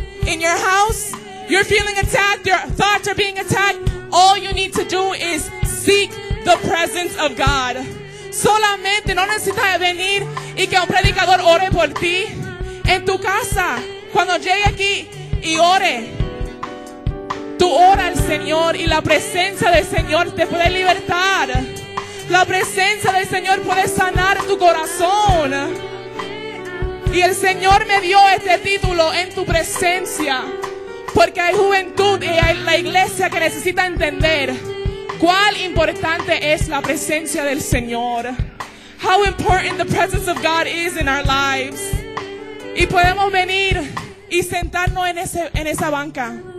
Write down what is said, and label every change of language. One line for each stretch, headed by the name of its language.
English: In your house, you're feeling attacked, your thoughts are being attacked. All you need to do is seek the presence of God.
Spanish: Solamente no necesitas venir y que un predicador ore por ti. En tu casa, cuando llegue aquí y ore, tú ora al Señor y la presencia del Señor te puede libertar. La presencia del Señor puede sanar tu corazón. Y el Señor me dio este título, En tu presencia. Porque hay juventud y hay la iglesia que necesita entender cuál importante es la presencia del Señor.
English: How important the presence of God is in our lives.
Spanish: Y podemos venir y sentarnos en esa banca.